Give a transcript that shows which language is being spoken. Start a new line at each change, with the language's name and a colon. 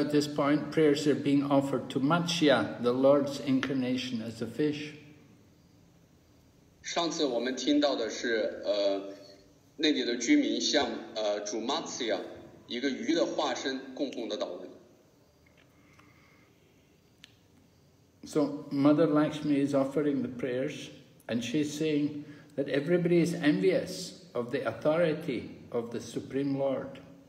English: at this point, prayers are being offered to Matsya, the Lord's incarnation as a fish.
Chinese: 上次我们听到的是, 那里的居民向, 主 Matsya, 一个鱼的化身, 供奉的祷文。
English: So Mother Lakshmi is offering the prayers, and she's saying that everybody is envious of the authority of the Supreme Lord.